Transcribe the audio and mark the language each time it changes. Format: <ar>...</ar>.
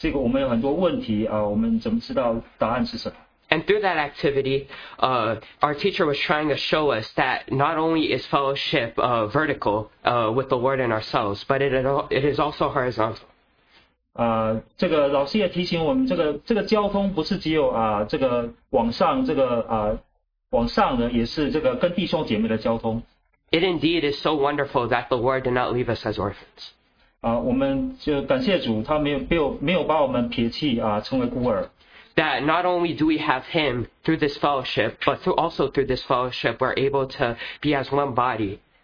<zh>当我们每天跟主寻找的时候，给我们这个他的答案，这个我们有很多问题，我们怎么知道答案是什么。</zh> <en>And through that activity, our teacher was trying to show us that not only is fellowship vertical with the Lord and ourselves, but it is also horizontal.</en> <zh>这个老师也提醒我们，这个交通不是只有往上的，也是这个跟弟兄姐妹的交通。</zh> <en>It indeed is so wonderful that the Lord did not leave us as orphans.</en> <zh>我们就感谢主，他没有把我们撇弃，成为孤儿。</zh> <en>That not only do we have him through this fellowship, but through this fellowship, we're able to be as one body.</en>